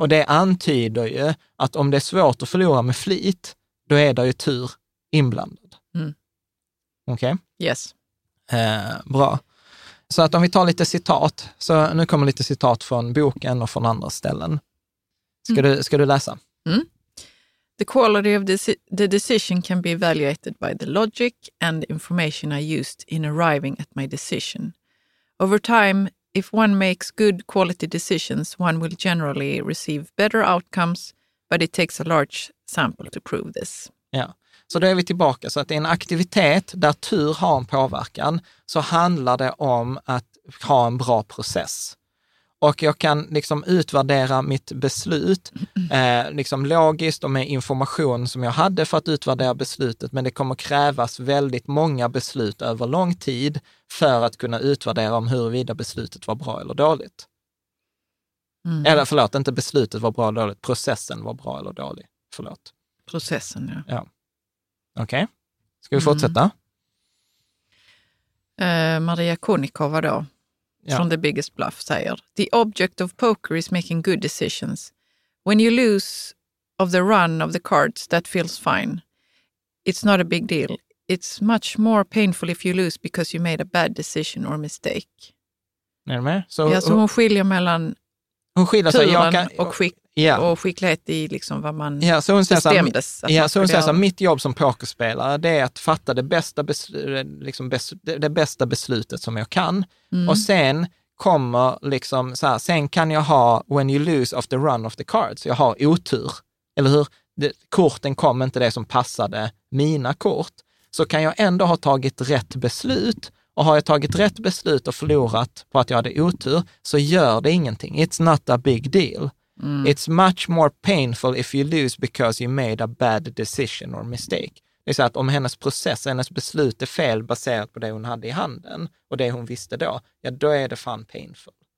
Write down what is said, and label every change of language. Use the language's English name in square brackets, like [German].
[Swedish] Och det antyder ju att om det är svårt att förlora med flit, då är det ju tur inblandad. Mm. Okej? [English] Okay? Yes. [Swedish] Bra. Så att om vi tar lite citat, så nu kommer lite citat från boken och från andra ställen. Ska du läsa? Mm. [English] The quality of the decision can be evaluated by the logic and information I used in arriving at my decision. Over time, if one makes good quality decisions, one will generally receive better outcomes, but it takes a large sample to prove this. [Swedish] Ja, så då är vi tillbaka. Så att en aktivitet där tur har en påverkan, så handlar det om att ha en bra process. Och jag kan liksom utvärdera mitt beslut liksom logiskt och med information som jag hade för att utvärdera beslutet. Men det kommer krävas väldigt många beslut över lång tid för att kunna utvärdera om huruvida beslutet var bra eller dåligt. Mm. Eller förlåt, inte beslutet var bra eller dåligt, processen var bra eller dålig. Förlåt. Processen, ja. Ja. Okej, okay. Ska vi fortsätta? Maria Konnikova då? Yeah. [English] From The Biggest Bluff [Swedish] säger, [English] the object of poker is making good decisions. When you lose of the run of the cards, that feels fine. It's not a big deal. It's much more painful if you lose because you made a bad decision or mistake. [Swedish] Är du med? Så, ja, så hon skiljer mellan hon skiljer, turen så jag kan, och skicklighet i liksom vad man bestämdes. Ja, så hon säger så här, mitt jobb som pokerspelare det är att fatta det bästa, det bästa beslutet som jag kan. Mm. Och sen kommer liksom så här, sen kan jag ha [English] when you lose of the run of the cards. [Swedish] Jag har otur, eller hur? Korten kom inte det som passade mina kort. Så kan jag ändå ha tagit rätt beslut. Och har jag tagit rätt beslut och förlorat på att jag hade otur, så gör det ingenting. [English] It's not a big deal. Mm. It's much more painful if you lose because you made a bad decision or mistake. [Swedish] Det är så att om hennes process, hennes beslut är fel baserat på det hon hade i handen och det hon visste då, ja då är det fan painful.